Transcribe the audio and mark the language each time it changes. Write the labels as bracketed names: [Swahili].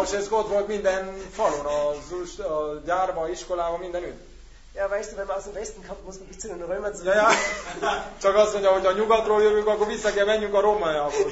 [Hungarian] Ott volt minden falon, a gyárba, a iskolában, mindenütt. [German] Ja, weißt du, wenn man aus dem Westen kommt, muss man bis zu den Römern zurück. Ja. [Hungarian] Csak azt mondja, hogy a nyugatról jövünk, akkor vissza kell menjünk a Rómaiakhoz.